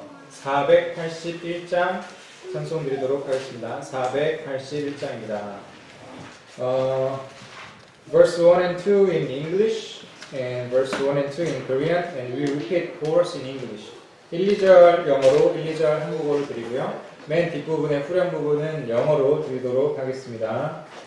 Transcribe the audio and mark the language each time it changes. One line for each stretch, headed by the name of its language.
Korean: 481장 찬송 드리도록 하겠습니다. 481장입니다.
English: Verse 1 and 2 in English and verse 1 and 2 in Korean and we repeat chorus in English.
Korean: 1, 2절 영어로 1, 2절 한국어로 드리고요. 맨 뒷부분의 후렴 부분은 영어로 드리도록 하겠습니다.